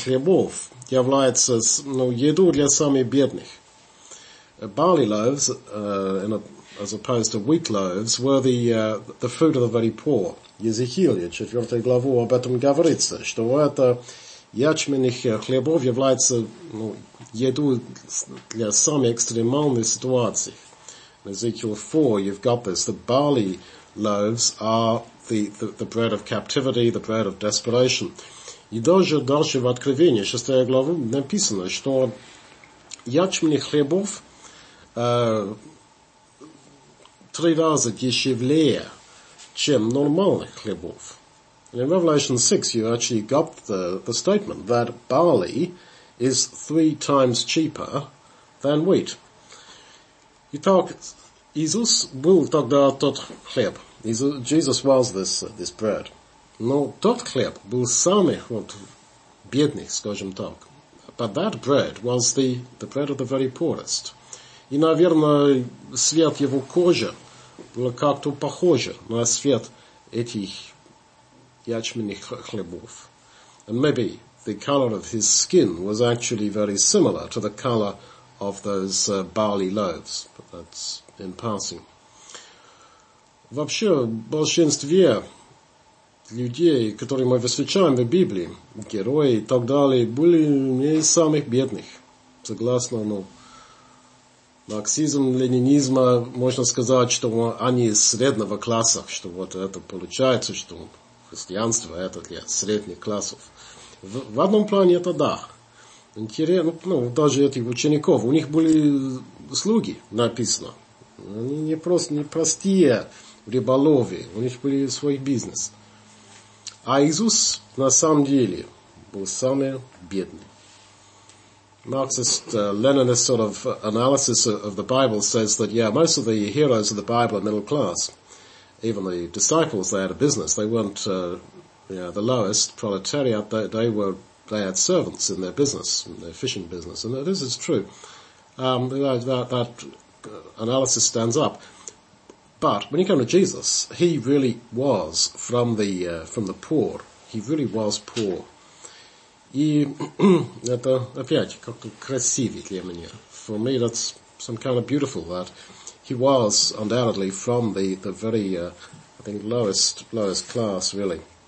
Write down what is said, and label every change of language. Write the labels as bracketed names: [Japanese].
[Russian] хлебов является еду для самых бедных. [English] Barley loaves, as opposed to wheat loaves, were the food of the very poor. [Russian] Езекииль, 4 главу, об этом говорится, что это ячменных хлебов является еду для самых экстремальных ситуаций. [English] In Ezekiel 4, you've got this, the barley loaves are the bread of captivity, the bread of desperation. [Russian] И даже дальше в Откровении, 6 главу, написано, что ячменных хлебов 3 раза дешевле, чем нормальных хлебов. [English] And in Revelation 6, you actually got the statement that barley is 3 times cheaper than wheat. [Russian] Итак, Иисус был тогда тот хлеб. [English] Jesus was this bread. [Russian] Но тот хлеб был самых вот бедных, скажем так. [English] But that bread was the bread of the very poorest. [Russian] И, наверное, цвет его кожи как-то похоже на свет этих ячменных хлебов. [English] And maybe the color of his skin was actually very similar to the color of those barley loaves, but that's in passing. [Russian] Вообще, большинство людей, которые мы встречаем в Библии, герои и так далее, были не из самых бедных. Согласно, ну, марксизм, ленинизма, можно сказать, что они из среднего класса, что вот это получается, что христианство это для средних классов. В одном плане это да. Интересно, ну, даже этих учеников, у них были слуги, написано. Они не просто не простые рыболовы, у них были свой бизнес. А Иисус на самом деле был самый бедный. [English] Marxist Leninist sort of analysis of the Bible says that, yeah, most of the heroes of the Bible are middle class. Even the disciples, they had a business. They weren't the lowest proletariat. They had servants in their business, in their fishing business. And this is true. That analysis stands up. But when you come to Jesus, he really was from the poor. He really was poor. [Russian] И это опять как-то красивее для меня. [English] For me, that's some kind of beautiful that he was undoubtedly from the very, I think, lowest class, really.